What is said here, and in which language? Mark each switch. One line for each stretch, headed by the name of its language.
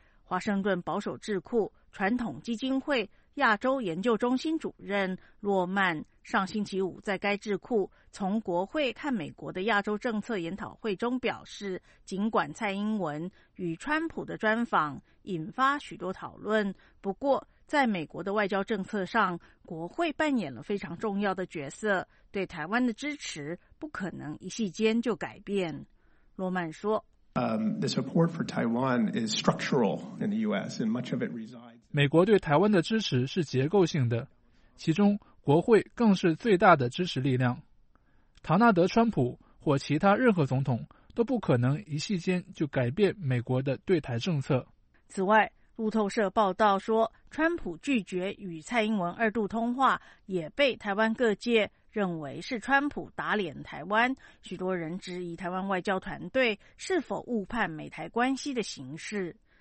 Chinese: 华盛顿保守智库传统基金会亚洲研究中心主任洛曼上星期五在该智库从国会看美国的亚洲政策研讨会中表示，尽管蔡英文与川普的专访引发许多讨论，不过在美国的外交政策上，国会扮演了非常重要的角色，对台湾的支持不可能一夕间就改变。洛曼说，
English: The support for Taiwan is structural in the U.S. and much of it resides.
Chinese: 美国对台湾的支持是结构性的，其中国会更是最大的支持力量。唐纳德·川普或其他任何总统都不可能一夕间就改变美国的对台政策。此外，路透社报道说，川普拒绝与蔡英文二度通话，也被台湾各界认为是川普打脸台湾，许多人质疑台湾外交团队是否误判美台关系的形势。